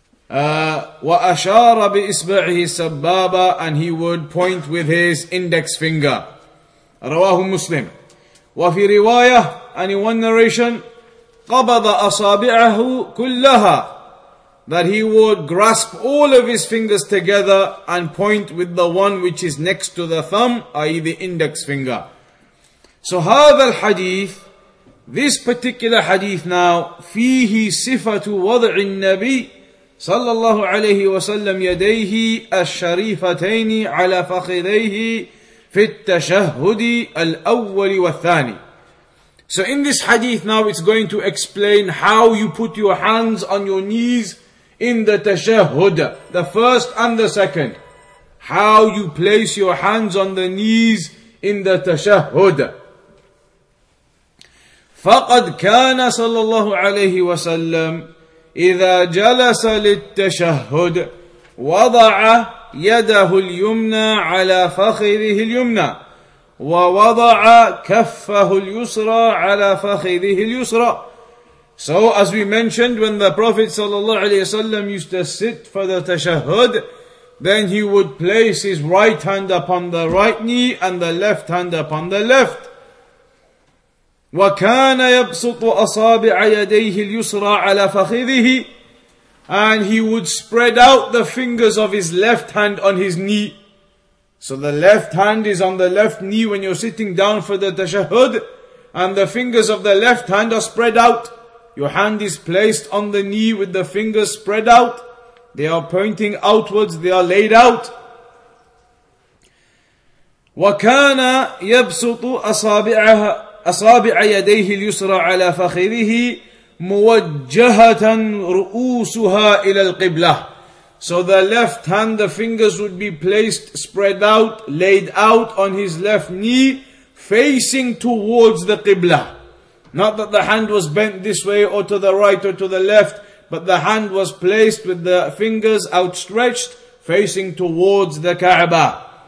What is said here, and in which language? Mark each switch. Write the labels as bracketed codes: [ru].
[ar] وَأَشَارَ بِإِسْبَعِهِ السَّبَّابَ, [en] and he would point with his index finger. [ar] رواه مسلم. وَفِي رِوَايَةٍ, [en] and in one narration, [ar] قَبَضَ أَصَابِعَهُ كُلَّهَا, [en] that he would grasp all of his fingers together and point with the one which is next to the thumb, i.e. the index finger. So [ar] هذا الحديث, [en] this particular hadith now, [ar] فيه صفة وضع النبي صلى الله عليه وسلم يديه الشريفتين على فخذيه في التشهد الأول والثاني. [en] So in this hadith now, it's going to explain how you put your hands on your knees in the tashahhud, the first and the second, how you place your hands on the knees in the tashahhud. [ar] فقد كان صلى الله عليه وسلم إذا جلس للتشهد وضع يده اليمنى على فخذه اليمنى ووضع كفه اليسرى على فخذه اليسرى. [en] So as we mentioned, when the Prophet [ar] صلى الله عليه وسلم [en] used to sit for the tashahhud, then he would place his right hand upon the right knee and the left hand upon the left. [ar] وكان يبسط أصابع يديه اليسرى على فخذه, [en] and he would spread out the fingers of his left hand on his knee. So the left hand is on the left knee when you're sitting down for the tashahhud, and the fingers of the left hand are spread out. Your hand is placed on the knee with the fingers spread out. They are pointing outwards, they are laid out. [ar] وكان يبسط أصابع يديه اليسرى على فخذه موجهة رؤوسها إلى القبلة. [en] So the left hand, the fingers would be placed, spread out, laid out on his left knee, facing towards the Qibla. Not that the hand was bent this way or to the right or to the left, but the hand was placed with the fingers outstretched, facing towards the Kaaba.